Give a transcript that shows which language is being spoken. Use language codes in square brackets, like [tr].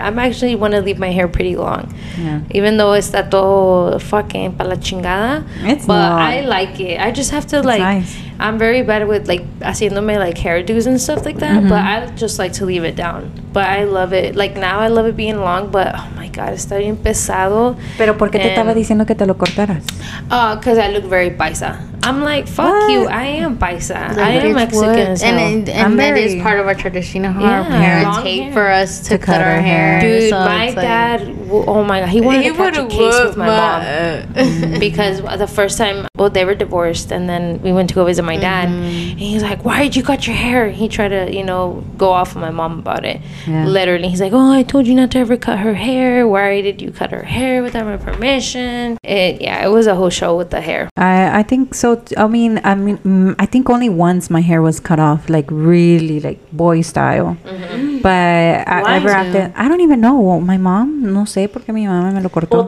[en] I'm actually want to leave my hair pretty long. Yeah. Even though it's that [es] todo fucking para la chingada. [en] It's but not. I like it. I just have to, it's like, nice. I'm very bad with, like, haciéndome, like, hairdos and stuff like that. Mm-hmm. But I just like to leave it down. But I love it. Like, now I love it being long, but, oh, my God, [es] está bien pesado. Pero ¿por qué te estaba diciendo que te lo cortaras? [en] Because I look very paisa. I'm like, fuck what? You. I am paisa. Like, I am Mexican. So. And that is part of our tradition. Our parents hate for us to cut our hair. Dude, so my dad, like, oh my God. He wanted to catch a case with my mom. Because the first time, well, they were divorced. And then we went to go visit my dad. Mm-hmm. And he's like, why did you cut your hair? He tried to, you know, go off with my mom about it. Yeah. Literally. He's like, oh, I told you not to ever cut her hair. Why did you cut her hair without my permission? It was a whole show with the hair. I think so. I mean, I think only once my hair was cut off, like really, like boy style. Mm-hmm. But ever after, I don't even know. Well, my mom, [es] no sé por qué mi mamá me lo cortó.